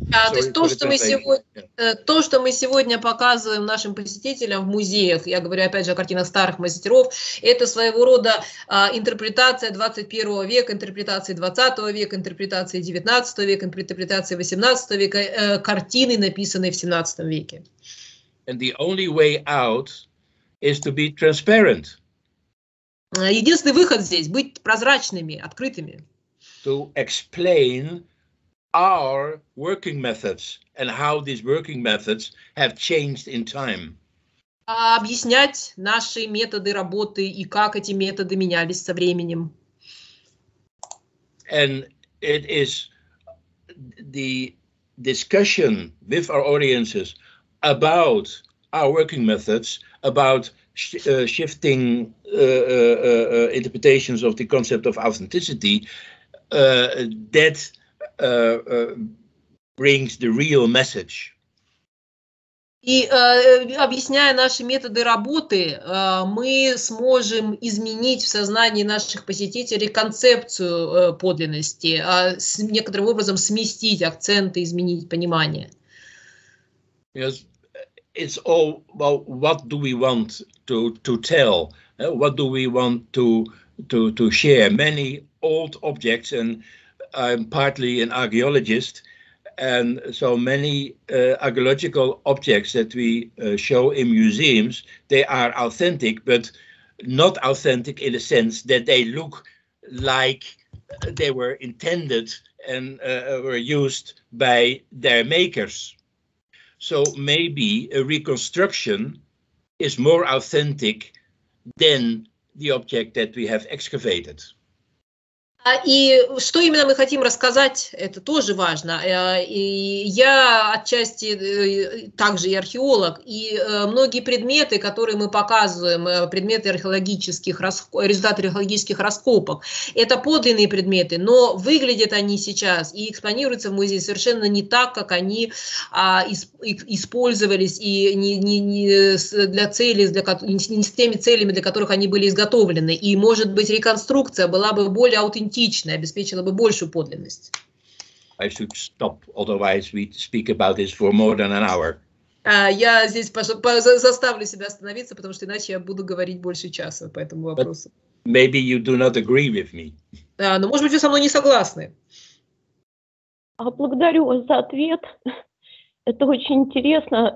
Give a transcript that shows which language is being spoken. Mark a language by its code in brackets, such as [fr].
[ru] То есть то, что мы сегодня, то, что мы сегодня показываем нашим посетителям в музеях, я говорю опять же о картинах старых мастеров, это своего рода интерпретация 21 века, интерпретация 20 века, интерпретация 19 века, интерпретация 18 века, картины, написанные в 17 веке. [en] And the only way out is to be transparent. [ru] Единственный выход здесь — быть прозрачными, открытыми. [en] To explain our working methods and how these working methods have changed in time. [ru] Объяснять наши методы работы и как эти методы менялись со временем. [en] And it is the discussion with our audiences about our working methods, about shifting interpretations of the concept of authenticity, that brings the real message. [ru] И объясняя наши методы работы, мы сможем изменить в сознании наших посетителей концепцию подлинности, с некоторым образом сместить акценты, изменить понимание. [en] Yes, it's all about what do we want to tell? What do we want to to share many old objects, and I'm partly an archaeologist, and so many archaeological objects that we show in museums, they are authentic, but not authentic in the sense that they look like they were intended and were used by their makers. So maybe a reconstruction is more authentic than the object that we have excavated. [ru] И что именно мы хотим рассказать, это тоже важно. И я отчасти также и археолог, и многие предметы, которые мы показываем, предметы археологических, результаты археологических раскопок, это подлинные предметы, но выглядят они сейчас и экспонируются в музее совершенно не так, как они использовались и не с теми целями, для которых они были изготовлены. И, может быть, реконструкция была бы более аутентичной, обеспечила бы большую подлинность. [en] I should stop, otherwise we speak about this for more than an hour. [ru] Я здесь заставлю себя остановиться, потому что иначе я буду говорить больше часа по этому вопросу. [en] Maybe you do not agree with me. [ru] Но, может быть, вы со мной не согласны. Благодарю вас за ответ. Это очень интересно.